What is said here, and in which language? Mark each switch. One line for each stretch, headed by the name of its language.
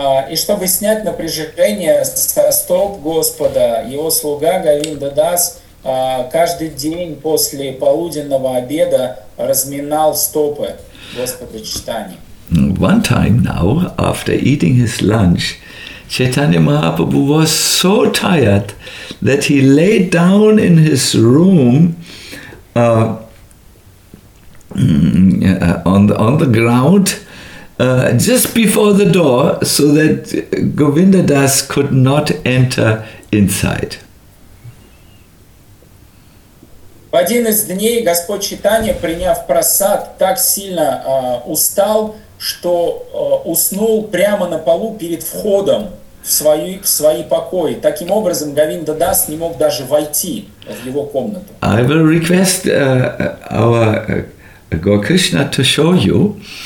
Russian: И чтобы снять напряжение со стоп Господа, его слуга Говинда Дас каждый день после полуденного обеда разминал стопы Господа Чайтаньи.
English: One time now, after eating his lunch, Chaitanya Mahaprabhu was so tired that he lay down in his room on the ground just before the door so that Govinda Das could not enter inside.
Russian: В один из дней Господь Чайтанья, приняв просад, так сильно устал, что уснул прямо на полу перед входом в свои покои. Таким образом, Говинда Дас не мог даже войти в его комнату.
English: I will request our Gokrishna to show you.